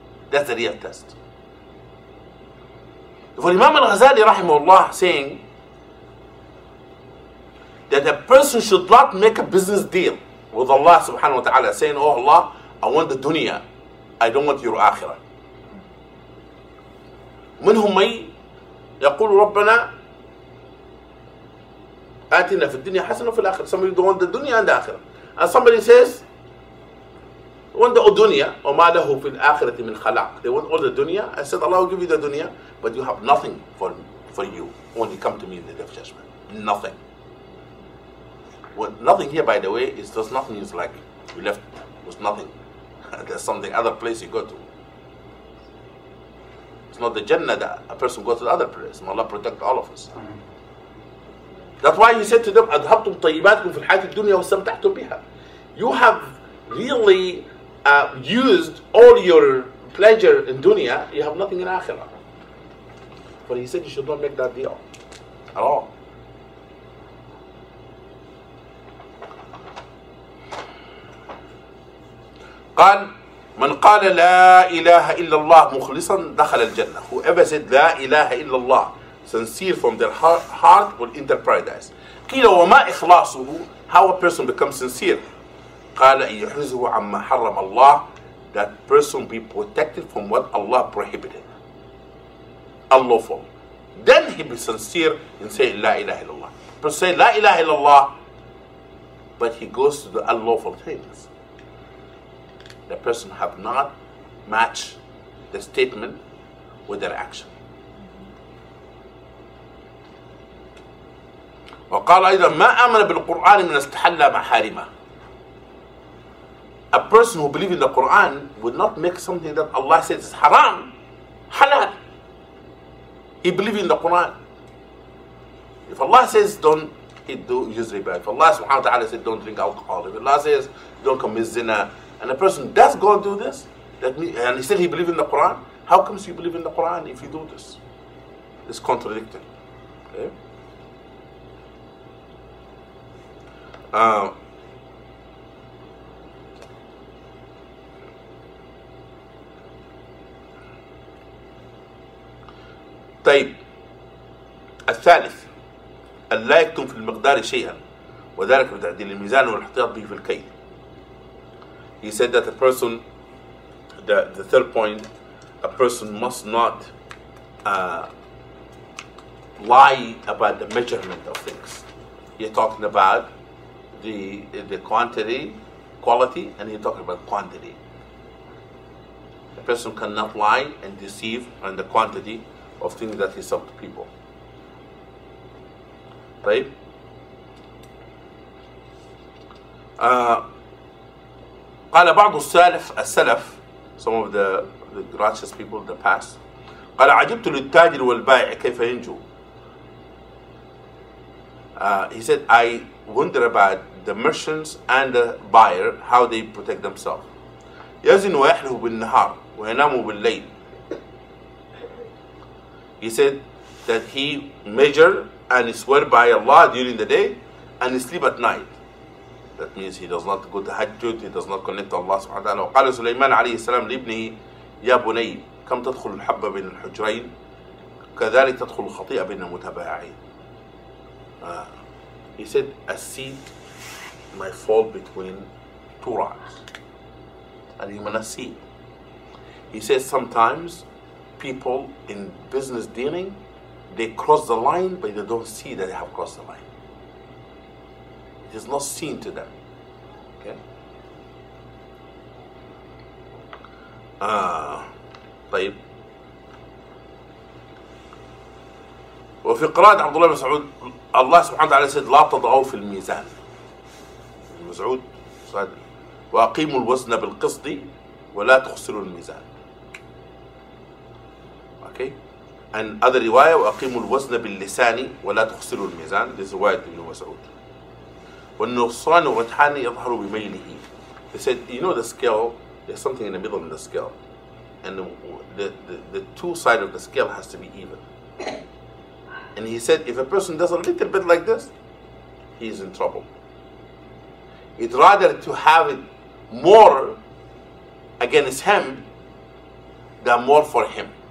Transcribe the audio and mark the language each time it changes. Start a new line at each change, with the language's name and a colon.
English: That's the real test. For Imam al-Ghazali rahimahullah saying that a person should not make a business deal with Allah subhanahu wa ta'ala, saying, oh Allah, I want the dunya, I don't want your akhirah.
Arabic: منهم من يقول ربنا آتنا في الدنيا حسنة في الآخرة.
English: Somebody don't want the dunya and the akhirah. And somebody says, want the dunya, or
Arabic: ما له في الآخرة من خلاق.
English: They want all the dunya. I said, Allah will give you the dunya, but you have nothing for you when you come to me in the day of judgment. Nothing. Nothing here, by the way, is just nothing. It's like you left with nothing. There's something other place you go to. It's not the Jannah that a person goes to the other place. May Allah protect all of us. That's why he said to them,
Arabic: أَذْهَبْتُمْ طَيِّبَاتِكُمْ فِي الْحَيَاةِ الدُّنْيَا وَاسْتَمْتَعْتُمْ بِهَا.
English: You have really used all your pleasure in dunya, you have nothing in akhirah. But he said you should not make that deal at all.
Arabic: قال من قال لا إله إلا الله مخلصا دخل الجنة.
English: Whoever said
Arabic: لا إله إلا الله
English: sincere from their heart will enter paradise.
Arabic: قيل وما إخلاصه.
English: How a person becomes sincere.
Arabic: قال يحرزه عما حرم الله.
English: That person be protected from what Allah prohibited. Unlawful. Then he be sincere in saying La ilaha illallah. Person say La ilaha illallah, but he goes to the unlawful things. The person have not matched the statement with their action.
Arabic: وقال أيضا ما آمن بالقرآن من استحل محارمه.
English: A person who believes in the Quran would not make something that Allah says is haram halal. He believes in the Quran. If Allah says don't, he do use riba. If Allah subhanahu wa ta'ala says don't drink alcohol, if Allah says don't commit zina, and a person does go and do this, that means, and he said he believes in the Quran, how comes you believe in the Quran if you do this? It's contradictory. Okay?
Arabic: طيب الثالث أن لا يكتم في المقدار شيئا وذلك بتعديل الميزان والاحتياط به في الكيل.
English: He said that a person, that the third point, a person must not lie about the measurement of things. You're talking about the quantity, quality, and you're talking about quantity. A person cannot lie and deceive on the quantity of things that he sells to people. Right?
Arabic: قال بعض السلف
English: some of the righteous people in the past
Arabic: قال عجبت للتاجر والبائع كيف ينجو.
English: He said I wonder about the merchants and the buyer how they protect themselves.
Arabic: يزن ويحلف بالنهار وينام بالليل.
English: He said that he measure and swear by Allah during the day and sleep at night. That means he does not go to Hajjud, he does not connect to Allah subhanahu wa ta'ala.
Arabic: وقال سليمان عليه السلام لابنه يا بني كم تدخل الحبة بين الحجرين كذلك تدخل الخطيئة بين المتباعين.
English: He said a seed may fall between two rocks. And you must see. He said sometimes people in business dealing, they cross the line but they don't see that they have crossed the line. It is not seen to them. Okay.
Arabic: طيب. وفي قراءة عبد الله مسعود الله سبحانه وتعالى
English: said
Arabic: لا تضعوا في الميزان. مسعود صاد. وأقيموا الوزن بالقصد ولا تخسروا الميزان.
English: Okay. And other
Arabic: رواية وأقيموا الوزن باللسان ولا تخسروا الميزان.
English: This is
Arabic: رواية ابن مسعود. والنقصان والرجحان يظهر بميله.
English: They said, you know the scale, there's something in the middle of the scale. And the two sides of the scale has to be even. And he said, if a person does a little bit like this, he is in trouble. He'd rather to have it more against him than more for him.